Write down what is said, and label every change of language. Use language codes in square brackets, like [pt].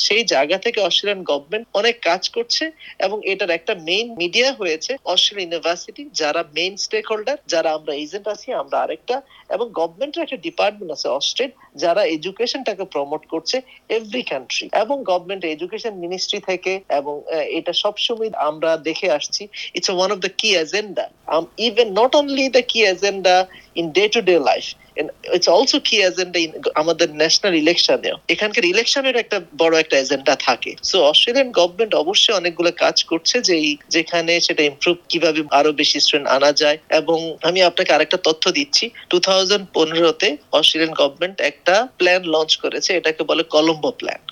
[bn] সেই জায়গা থেকে অস্ট্রেলিয়ান গভর্নমেন্ট অনেক কাজ করছে এবং এটার একটা মেইন মিডিয়া হয়েছে অস্ট্রেলিয়ান ইউনিভার্সিটি, যারা মেইন স্টেক হোল্ডার, যারা আমরা এজেন্ট আছি, আমরা আরেকটা, এবং গভর্নমেন্টের একটা ডিপার্টমেন্ট আছে অস্ট্রেল যারা এডুকেশনটাকে প্রমোট করছে এভরি কান্ট্রি, এবং গভর্নমেন্ট এডুকেশন মিনিস্ট্রি থেকে, এবং এটা সবসময় আমরা দেখে আসছি। [en] It's one of the key agenda, even not only the key agenda in day-to-day life, and it's also key agenda in our national election. [bn] এখানকার ইলেকশনের একটা বড় একটা এজেন্ডা থাকে। সো অস্ট্রেলিয়ান গভর্নমেন্ট অবশ্যই অনেকগুলো কাজ করছে যেখানে সেটা ইম্প্রুভ, কিভাবে আরো বেশি স্টুডেন্ট আনা যায়। এবং আমি আপনাকে আরেকটা তথ্য দিচ্ছি, 2015-তে অস্ট্রেলিয়ান গভর্নমেন্ট একটা প্ল্যান লঞ্চ করেছে, এটাকে বলে কলম্বো প্ল্যান।